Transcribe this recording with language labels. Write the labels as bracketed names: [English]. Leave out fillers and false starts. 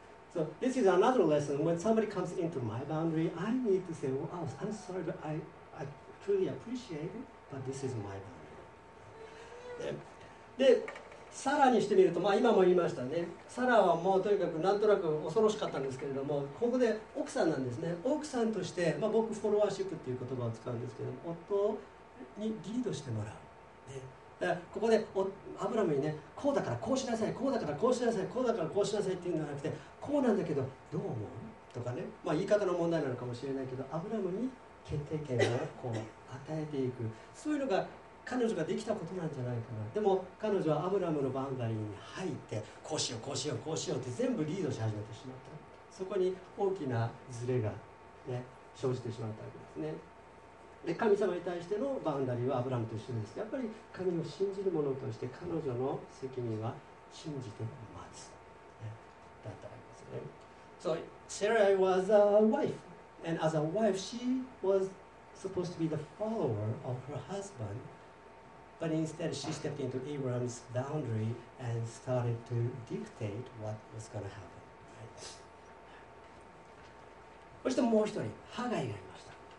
[English] So this is another lesson. When somebody comes into my boundary, I need to say, well, I'm sorry, but I truly appreciate it, but this is my boundary. [Japanese] で、サラにしてみると、まあ今も言いましたね。サラはもうとにかくなんとなく恐ろしかったんですけれども、ここで奥さんなんですね。奥さんとして、まあ、僕フォロワーシップっていう言葉を使うんですけど、夫にリードしてもらう。ね、ここでアブラムにね、こうだからこうしなさい、こうだからこうしなさい、こうだからこうしなさいっていうんじゃなくて、こうなんだけどどう思うとかね、まあ、言い方の問題なのかもしれないけど、アブラムに決定権をこう与えていく、そういうのが彼女ができたことなんじゃないかな。でも彼女はアブラムのバウンダリーに入って、こうしようこうしようこうしようって全部リードし始めてしまった。そこに大きなズレが、ね、生じてしまったわけですね。で、神様に対してのバウンダリーはアブラムと一緒です。やっぱり神を信じる者として彼女の責任は信じて待つ、ね、だったわけですね。 [English] So Sarai was a wife. And as a wife, she was supposed to be the follower of her husband. But instead, she stepped into Abraham's boundary and started to dictate what was going to happen.、Right? [Japanese] そしてもう一人、ハガイがいました。